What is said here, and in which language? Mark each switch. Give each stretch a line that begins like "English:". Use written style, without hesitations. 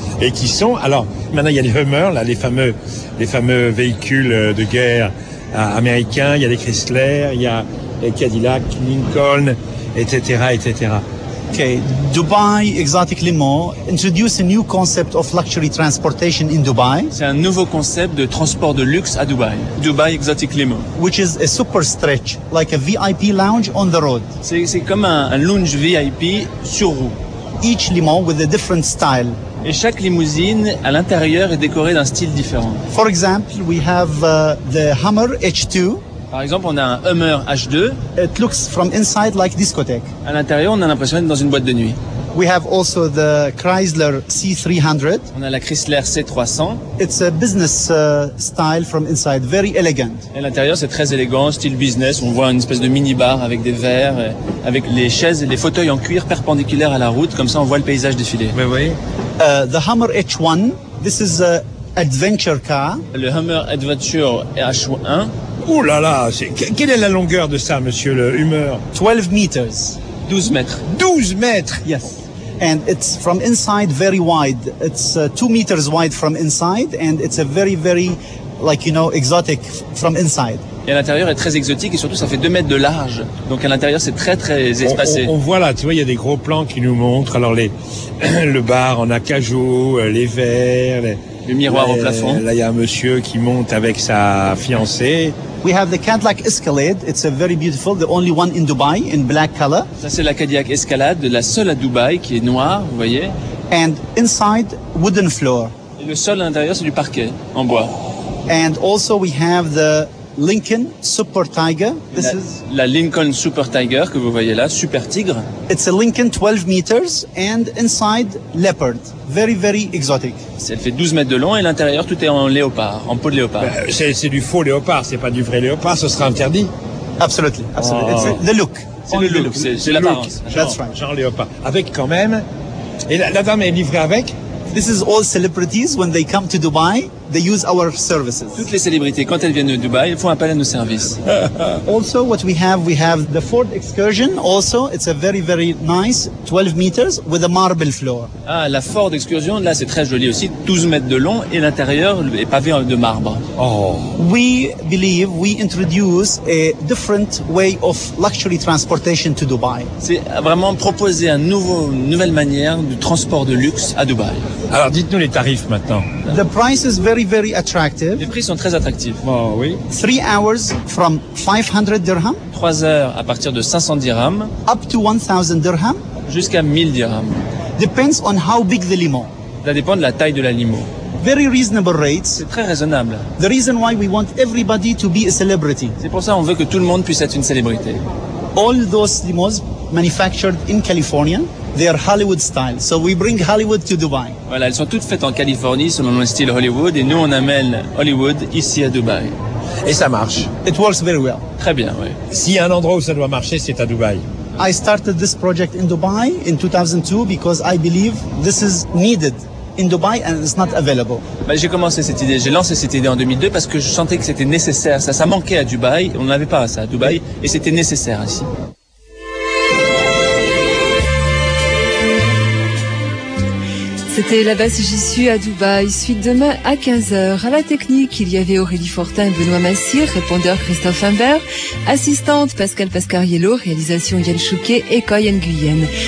French: Et qui sont... Alors, maintenant, il y a les Hummers, là, les fameux véhicules de guerre américains, il y a les Chrysler, il y a les Cadillac, Lincoln, etc., etc.
English: Okay, Dubai Exotic Limo introduce a new concept of luxury transportation in Dubai.
French: C'est un nouveau concept de transport de luxe à Dubai.
English: Dubai Exotic Limo, which is a super stretch, like a VIP lounge on the road.
French: C'est comme un lounge VIP sur roue.
English: Each limo with a different style.
French: Et chaque limousine à l'intérieur est décorée d'un style différent.
English: For example, we have the Hummer H2.
French: Par exemple, on a un Hummer H2.
English: It looks from inside like discotheque.
French: À l'intérieur, on a l'impression d'être dans une boîte de nuit.
English: We have also the Chrysler C300.
French: On a la Chrysler C300.
English: It's a business style from inside, very elegant.
French: À l'intérieur, c'est très élégant, style business. On voit une espèce de mini-bar avec des verres, avec les chaises et les fauteuils en cuir perpendiculaires à la route. Comme ça, on voit le paysage défiler. Mais oui.
English: The Hummer H1, this is an adventure car.
French: Le Hummer Adventure H1. Ouh là là, quelle est la longueur de ça, monsieur le Hummer?
English: 12 meters.
French: 12 mètres. 12 mètres?
English: Yes. And it's from inside very wide. It's 2 meters wide from inside and it's a very, very, like, you know, exotic from inside.
French: Et à l'intérieur, est très exotique et surtout, ça fait 2 mètres de large. Donc, à l'intérieur, c'est très, très espacé. On voit là, tu vois, il y a des gros plans qui nous montrent. Alors, le bar en acajou, les verres... Le miroir au plafond. Là, il y a un monsieur qui monte avec sa fiancée.
English: We have the Cadillac Escalade. It's a very beautiful, the only one in Dubai, in black color.
French: Ça, c'est la Cadillac Escalade, la seule à Dubaï, qui est noire, vous voyez.
English: And inside, wooden floor.
French: Et le sol à l'intérieur, c'est du parquet, en bois.
English: And also, we have the Lincoln Super Tiger.
French: La Lincoln Super Tiger, que vous voyez là, Super Tigre.
English: It's a Lincoln 12 meters, and inside, leopard. Very, very exotic.
French: Elle fait 12 mètres de long, et l'intérieur, tout est en léopard, en peau de léopard. C'est du faux léopard, c'est pas du vrai léopard, ce sera interdit.
English: Absolutely, absolutely. Oh. It's the look.
French: C'est le look, c'est l'apparence.
English: That's right.
French: Genre léopard. Avec quand même... Et la dame est livrée avec...
English: This is all celebrities when they come to Dubai, they use our services.
French: Toutes les célébrités quand elles viennent de Dubaï, elles font appel à nos services.
English: Also what we have the Ford Excursion also, it's a very very nice 12 meters with a marble floor.
French: Ah, la Ford Excursion, là c'est très joli aussi, 12 mètres de long et l'intérieur est pavé de marbre. Oh.
English: We believe we introduce a different way of luxury transportation to Dubai.
French: C'est vraiment proposer une nouvelle manière de transport de luxe à Dubaï. Alors dites-nous les tarifs maintenant.
English: The price is very very attractive.
French: Les prix sont très attractifs. Oh oui.
English: 3 hours from 500 dirhams.
French: 3 heures à partir de 500 dirhams.
English: Up to 1000 dirhams.
French: Jusqu'à 1000 dirhams.
English: Depends on how big the limo.
French: Ça dépend de la taille de la limo.
English: Very reasonable rates.
French: C'est très raisonnable.
English: The reason why we want everybody to be a celebrity.
French: C'est pour ça qu'on veut que tout le monde puisse être une célébrité.
English: All those limos manufactured in California. They are Hollywood style, so we bring Hollywood to Dubai.
French: Voilà, elles sont toutes faites en Californie selon le style Hollywood, et nous on amène Hollywood ici à Dubaï. Et ça marche.
English: It works very well.
French: Très bien, oui. S'il y a un endroit où ça doit marcher, c'est à Dubaï.
English: I started this project in Dubai in 2002 because I believe this is needed in Dubai and it's not available.
French: Ben, j'ai lancé cette idée en 2002 parce que je sentais que c'était nécessaire. Ça manquait à Dubaï, on n'avait pas ça à Dubaï, et c'était nécessaire ici. C'était La Basse J'y suis à Dubaï, suite demain à 15h. À la technique, il y avait Aurélie Fortin, Benoît Massir, répondeur Christophe Imbert, assistante Pascal Pascariello, réalisation Yann Chouquet et Coy Nguyen.